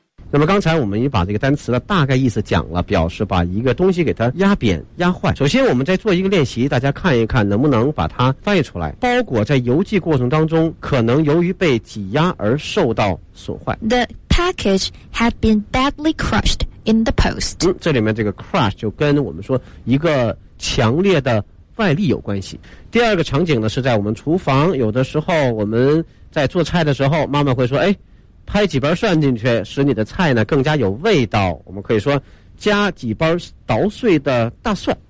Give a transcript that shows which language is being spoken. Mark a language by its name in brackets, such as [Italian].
[Chinese] 那么刚才我们已经把这个单词的大概意思讲了，表示把一个东西给它压扁压坏。首先我们再做一个练习，大家看一看能不能把它翻译出来。包裹在邮寄过程当中可能由于被挤压而受到损坏。 [English] The package had been badly crushed in the post。 [Chinese] 这里面这个 crush 就跟我们说一个强烈的外力有关系。第二个场景呢，是在我们厨房，有的时候我们在做菜的时候，妈妈会说，哎，拍几瓣蒜进去，使你的菜呢更加有味道。我们可以说，加几瓣捣碎的大蒜。